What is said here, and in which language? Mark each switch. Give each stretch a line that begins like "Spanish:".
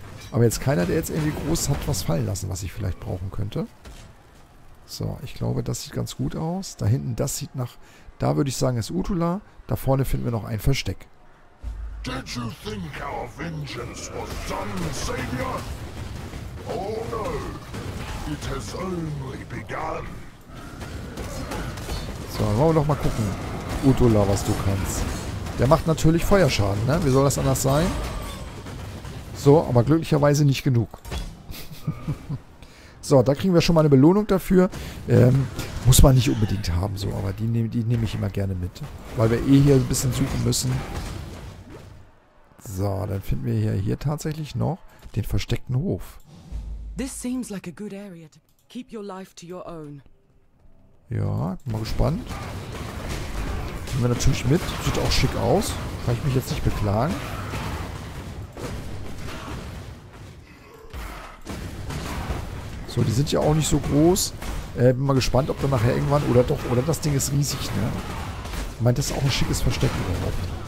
German: Aber jetzt keiner, der jetzt irgendwie groß hat, was fallen lassen, was ich vielleicht brauchen könnte. So, ich glaube, das sieht ganz gut aus. Da hinten, das sieht nach... Da würde ich sagen, ist Utula. Da vorne finden wir noch ein Versteck.
English: Did you think our vengeance was done, Savior? Oh no, it has only begun.
German: So, wollen wir doch mal gucken, Utula, was du kannst. Der macht natürlich Feuerschaden, ne? Wie soll das anders sein? So, aber glücklicherweise nicht genug. So, da kriegen wir schon mal eine Belohnung dafür. Muss man nicht unbedingt haben, so, aber die nehme ich immer gerne mit. Weil wir eh hier ein bisschen suchen müssen. So, dann finden wir hier tatsächlich noch den versteckten Hof.
English: This seems like a good area to keep your life to your own.
German: Ja, mal gespannt. Nehmen wir natürlich mit. Sieht auch schick aus. Kann ich mich jetzt nicht beklagen. So, die sind ja auch nicht so groß. Bin mal gespannt, ob da nachher irgendwann... Oder doch, oder das Ding ist riesig, ne? Ich meine, das ist auch ein schickes Versteck überhaupt.